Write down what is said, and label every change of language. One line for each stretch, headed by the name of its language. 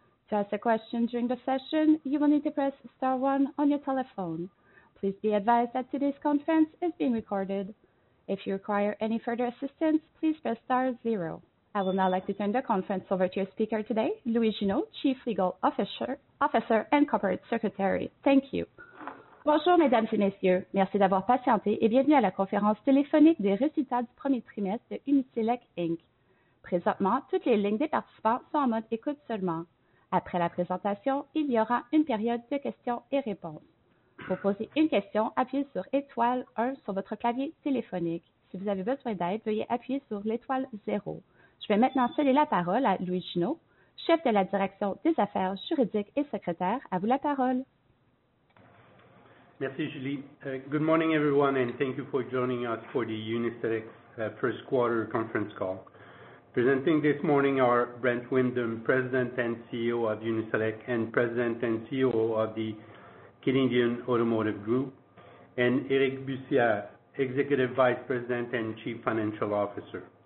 English: To ask a question during the session, you will need to press star 1 on your telephone. Please be advised that today's conference is being recorded. If you require any further assistance, please press star 0. I would now like to turn the conference over to your speaker today, Louis Gineau, Chief Legal Officer and Corporate Secretary. Thank you.
French: Bonjour, mesdames et messieurs. Merci d'avoir patienté et bienvenue à la conférence téléphonique des résultats du premier trimestre de Uni-Select Inc. Présentement, toutes les lignes des participants sont en mode écoute seulement. Après la présentation, il y aura une période de questions et réponses. Pour poser une question, appuyez sur étoile 1 sur votre clavier téléphonique. Si vous avez besoin d'aide, veuillez appuyer sur l'étoile 0. Je vais maintenant céder la parole à Louis Gineau, chef de la direction des affaires juridiques et secrétaire. À vous la parole. Merci, Julie.
English: Good morning, everyone, and thank you for joining us for the Uni-Select first quarter conference call. Presenting this morning are Brent Windham, President and CEO of Uni-Select and President and CEO of the Canadian Automotive Group, and Éric Bussière, Executive Vice President and Chief Financial Officer.